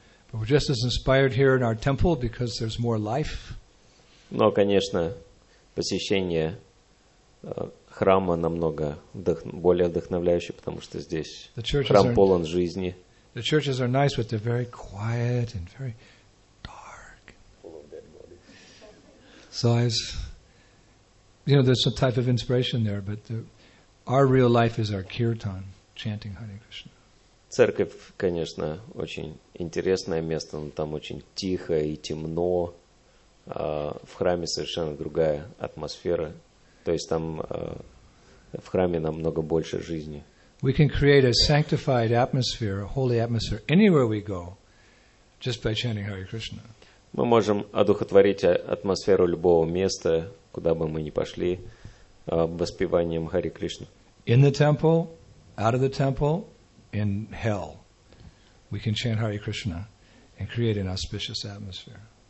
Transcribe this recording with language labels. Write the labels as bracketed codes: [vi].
[en] But we're just as inspired here in our temple because there's more life. [ru] Но, конечно, посещение храма намного более вдохновляющее, потому что здесь храм полон жизни. [en] The churches are nice, but they're very quiet and very So I was, you know, there's some type of inspiration there, but our real life is our kirtan, chanting Hare Krishna. [ru] Церковь, конечно, очень интересное место, но там очень тихо и темно. В храме совершенно другая атмосфера. То есть там в храме намного больше жизни. [en] We can create a sanctified atmosphere, a holy atmosphere, anywhere we go, just by chanting Hare Krishna. [ru] Мы можем одухотворить атмосферу любого места, куда бы мы ни пошли, воспеванием Хари Кришны. [en] In the temple, out of the temple, in hell, we can chant Hare Krishna and create an auspicious atmosphere.